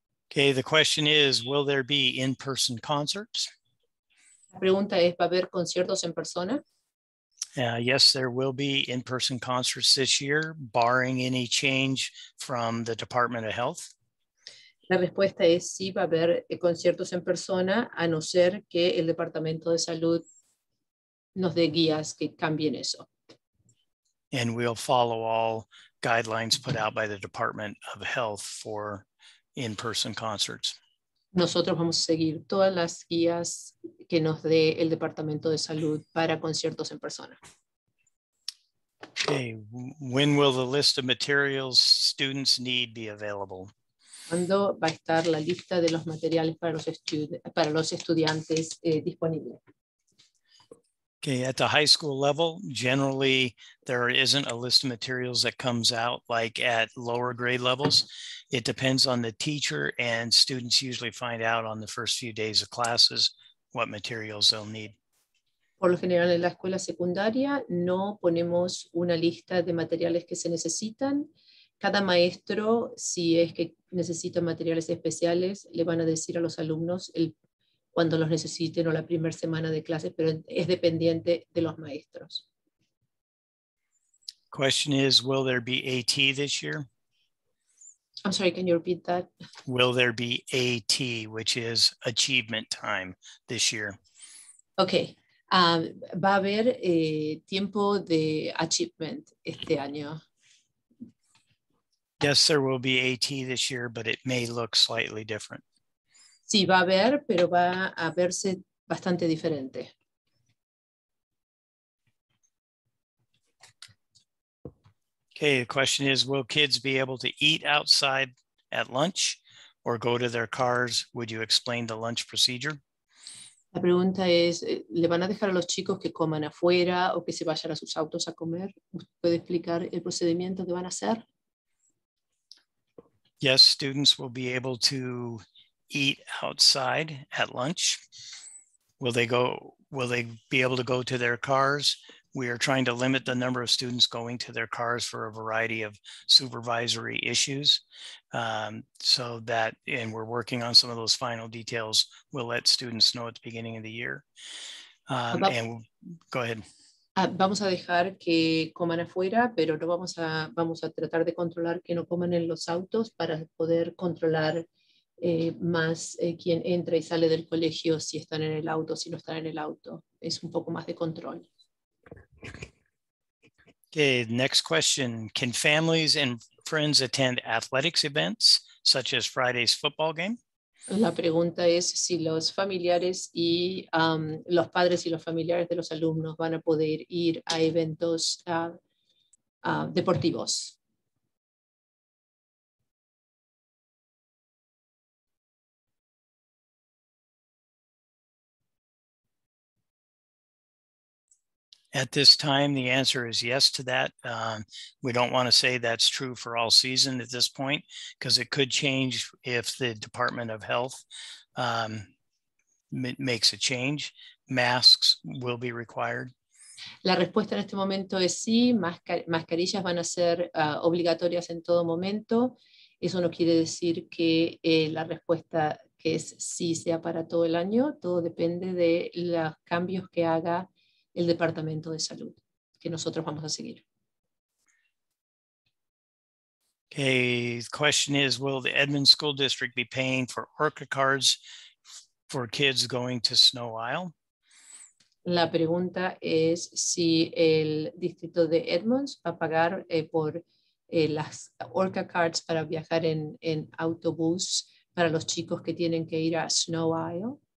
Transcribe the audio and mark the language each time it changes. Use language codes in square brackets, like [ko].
[en] Okay, the question is, will there be in-person concerts? [es] La pregunta es, ¿va a haber conciertos en persona? [en] Yes, there will be in-person concerts this year, barring any change from the Department of Health. [es] La respuesta es, sí, va a haber conciertos en persona, a no ser que el Departamento de Salud nos dé guías que cambien eso. [en] And we'll follow all guidelines put out by the Department of Health for in-person concerts. [es] Nosotros vamos a seguir todas las guías que nos dé el Departamento de Salud para conciertos en persona. [en] Okay, when will the list of materials students need be available? [es] ¿Cuándo va a estar la lista de los materiales para los estudiantes disponible? [en] Okay, at the high school level, generally there isn't a list of materials that comes out like at lower grade levels. It depends on the teacher, and students usually find out on the first few days of classes what materials they'll need. [es] Por lo general en la escuela secundaria no ponemos una lista de materiales que se necesitan. Cada maestro, si es que necesita materiales especiales, le van a decir a los alumnos cuando los necesiten o la primera semana de clases, pero es dependiente de los maestros. [en] Question is, will there be AT this year? I'm sorry, can you repeat that? Will there be AT, which is achievement time, this year? Okay. [es] Va a haber tiempo de achievement este año. [en] Yes, there will be AT this year, but it may look slightly different. [es] Sí, va a haber, pero va a verse bastante diferente. [en] Okay, the question is, will kids be able to eat outside at lunch or go to their cars? Would you explain the lunch procedure? [es] La pregunta es, ¿le van a dejar a los chicos que coman afuera o que se vayan a sus autos a comer? ¿Puede explicar el procedimiento que van a hacer? [en] Yes, students will be able to eat outside at lunch. Will they be able to go to their cars? We are trying to limit the number of students going to their cars for a variety of supervisory issues. So that, and we're working on some of those final details. We'll let students know at the beginning of the year. Go ahead. [es] Vamos a dejar que coman afuera, pero no vamos a, vamos a tratar de controlar que no coman en los autos para poder controlar más quién entra y sale del colegio, si están en el auto, si no están en el auto. Es un poco más de control. [en] Okay, next question. Can families and friends attend athletics events, such as Friday's football game? [es] La pregunta es si los familiares y los padres y los familiares de los alumnos van a poder ir a eventos deportivos. [en] At this time, the answer is yes to that. We don't want to say that's true for all season at this point, because it could change if the Department of Health makes a change. Masks will be required. [es] La respuesta en este momento es sí. Mascarillas van a ser obligatorias en todo momento. Eso no quiere decir que la respuesta que es sí sea para todo el año. Todo depende de los cambios que haga el Departamento de Salud, que nosotros vamos a seguir. [en] Okay, the question is, will the Edmond School District be paying for ORCA cards for kids going to Snow Isle? [es] La pregunta es si el distrito de Edmonds va a pagar por las ORCA cards para viajar en autobús para los chicos que tienen que ir a Snow Isle.